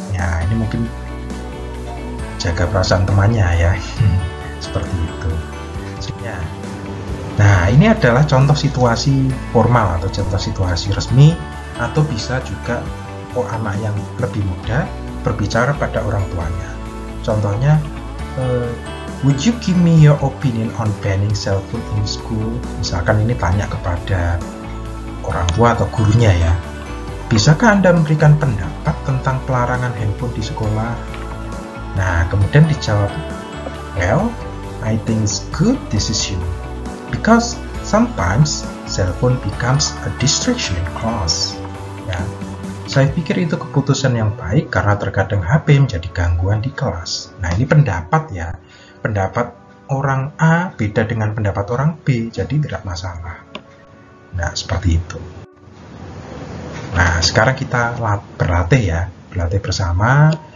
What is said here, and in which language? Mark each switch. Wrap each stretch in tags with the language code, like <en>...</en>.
<id>Ya, ini mungkin jaga perasaan temannya ya. Seperti itu. Nah, ini adalah contoh situasi formal atau contoh situasi resmi, atau bisa juga anak yang lebih muda berbicara pada orang tuanya. Contohnya,</id> <en>would you give me your opinion on banning cell phone in school?</en> <id>Misalkan ini tanya kepada orang tua atau gurunya ya. Bisakah Anda memberikan pendapat tentang pelarangan handphone di sekolah? Nah, kemudian dijawab,</id> <en>well, I think it's good decision. Because sometimes cell phone becomes a distraction in class.</en> <id>Ya. Saya pikir itu keputusan yang baik karena terkadang HP menjadi gangguan di kelas. Nah, ini pendapat ya. Pendapat orang A beda dengan pendapat orang B, jadi tidak masalah. Nah, seperti itu. Nah, sekarang kita berlatih ya. Berlatih bersama.</id>